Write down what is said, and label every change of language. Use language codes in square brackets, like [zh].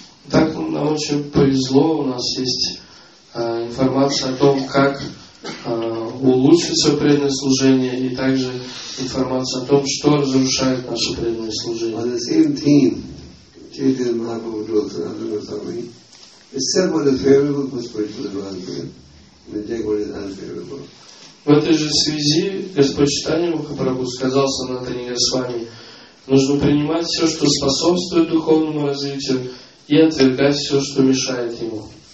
[ru] Так нам очень повезло, у нас есть информация о том, как улучшить свое преданное служение, и также информация о том, что разрушает наше преданное служение. [en] On the same theme, Chaitanya Mahaprabhu told Sanatana Goswami, except what is favorable for spiritual advancement, and take what is unfavorable. [ru] В этой же связи Господь Чайтанья Махапрабху сказал Санатане Госвами, нужно принимать все, что способствует духовному развитию, и отвергать все, что мешает ему.